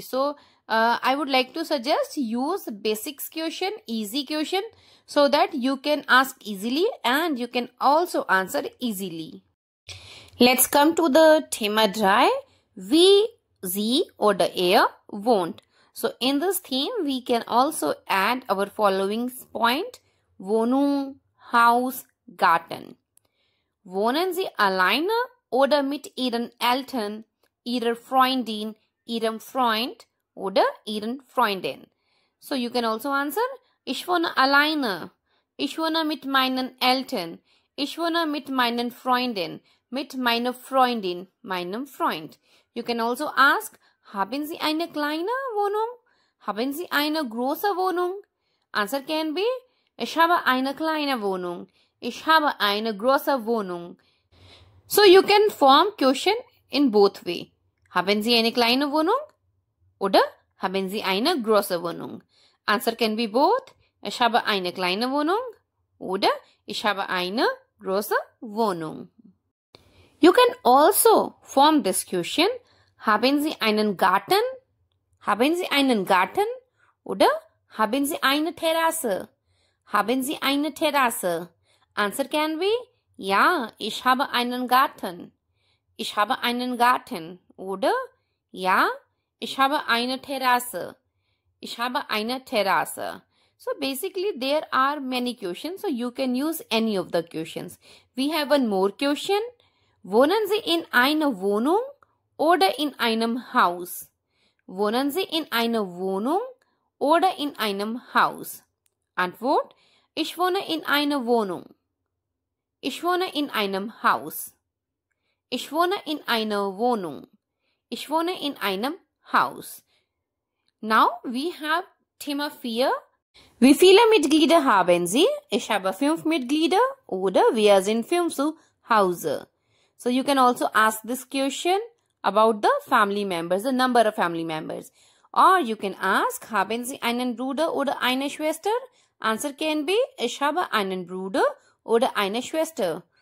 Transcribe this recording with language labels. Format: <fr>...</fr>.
<en>So I would like to suggest use basic question, easy question, so that you can ask easily and you can also answer easily. Let's come to the thema 3.</en> <de>Wie sie oder wohnt.</de> <en>So in this theme we can also add our following point.</en> <de>Wohnung,</de> <en>house, garden.</en> <de>Wohnen Sie alleine oder mit Ihren Eltern, Ihrer Freundin, Ihrem Freund oder Ihren Freundin?</de> <en>So you can also answer</en> <de>Ich wohne alleine. Ich wohne mit meinen Eltern. Ich wohne mit meinen Freundin. Mit meiner Freundin, meinem Freund.</de> <en>You can also ask</en> <de>Haben Sie eine kleine Wohnung? Haben Sie eine große Wohnung?</de> <en>Answer can be</en> <de>Ich habe eine kleine Wohnung. Ich habe eine große Wohnung.</de> <en>So you can form question in both way.</en> <de>Haben Sie eine kleine Wohnung? Oder haben Sie eine große Wohnung?</de> <en>Answer can be both.</en> <de>Ich habe eine kleine Wohnung. Oder ich habe eine große Wohnung.</de> <en>You can also form this question.</en> <de>Haben Sie einen Garten? Haben Sie einen Garten? Oder haben Sie eine Terrasse? Haben Sie eine Terrasse?</de> <en>Answer can be,</en> <de>ja, ich habe einen Garten. Ich habe einen Garten. Oder, ja, ich habe eine Terrasse. Ich habe eine Terrasse.</de> <en>So basically there are many questions. So you can use any of the questions. We have one more question.</en> <de>Wohnen Sie in einer Wohnung oder in einem Haus? Wohnen Sie in einer Wohnung oder in einem Haus? Antwort, ich wohne in einer Wohnung. Ich wohne in einem Haus. Ich wohne in einer Wohnung. Ich wohne in einem Haus.</de> <en>Now we have Thema 4.</en> <de>Wie viele Mitglieder haben Sie? Ich habe 5 Mitglieder oder wir sind 5 zu Hause.</de> <en>So you can also ask this question about the family members, the number of family members. Or you can ask,</en> <de>haben Sie einen Bruder oder eine Schwester? Answer can be, ich habe einen Bruder oder eine Schwester.</de>